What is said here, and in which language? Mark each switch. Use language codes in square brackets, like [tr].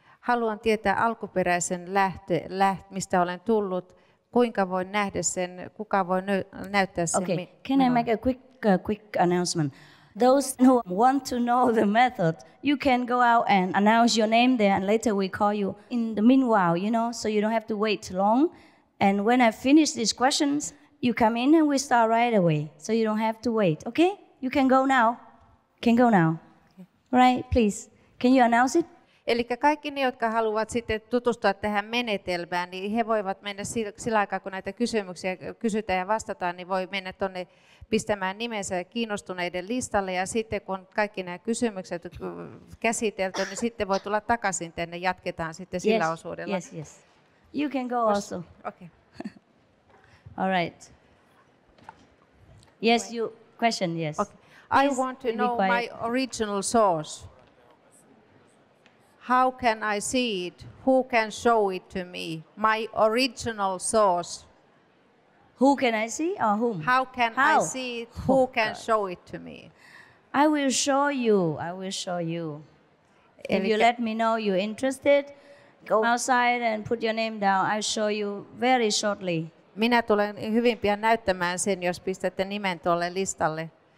[fi] Haluan tietää alkuperäisen mistä olen tullut. Kuinka voi nähdä sen, kuka voi näyttää sen? [en] Okay, can I make a quick announcement? Those who want to know the method, you can go out and announce your name there and later we call you in the meanwhile, you know, so you don't have to wait long. And when I finish these questions, you come in and we start right away, so you don't have to wait, okay? You can go now. Can go now. Right, please. Can you announce it? [fi] Eli kaikki ne, jotka haluavat sitten tutustua tähän menetelmään, niin he voivat mennä sillä aikaa, kun näitä kysymyksiä kysytään ja vastataan, niin voi mennä tuonne pistämään nimensä kiinnostuneiden listalle. Ja sitten kun kaikki nämä kysymykset käsitelty, niin sitten voi tulla takaisin tänne. Jatketaan sitten sillä osuudella. [en] Yes. You can go also. Okay. All right. Yes, you... question, yes. Okay. I want to know my original source. How can I see it? Who can show it to me? My original source. Who can I see or whom? How can I see it? Who can show it to me? I will show you. If you let me know you're interested, go outside and put your name down. I'll show you very shortly. [fi] Minä tulen hyvin pian näyttämään sen, jos pistätte nimen tuolle listalle.